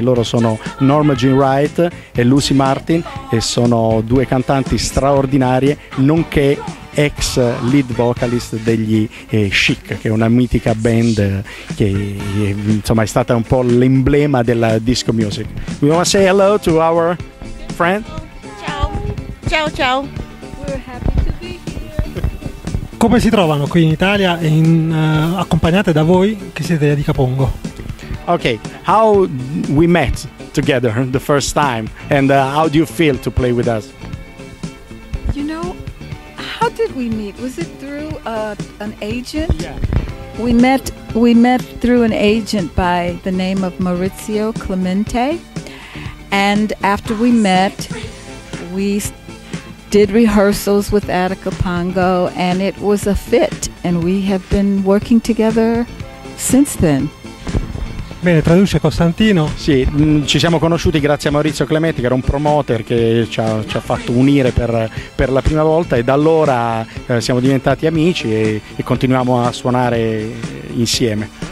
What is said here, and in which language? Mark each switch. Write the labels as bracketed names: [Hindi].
[Italian] Loro sono Norma Jean Wright e Lucy Martin, e sono due cantanti straordinarie, nonché ex lead vocalist degli Chic, che è una mitica band che insomma è stata un po' l'emblema della disco music. [English] We want to say hello to our friend. [Italian] Ciao. Ciao ciao. [English] We're happy to be here. [Italian] Come si trovano qui in Italia in, accompagnate da voi che siete di Capongo? [English] Okay, how we met together the first time, and how do you feel to play with us? You know, how did we meet? Was it through an agent? Yeah. We met through an agent by the name of Maurizio Clemente, and after we met, we did rehearsals with Attica Pongo, and it was a fit, and we have been working together since then. [Italian] Bene, traduce Costantino. Sì, ci siamo conosciuti grazie a Maurizio Clemente, che era un promoter che ci ha fatto unire per la prima volta, e da allora siamo diventati amici e continuiamo a suonare insieme.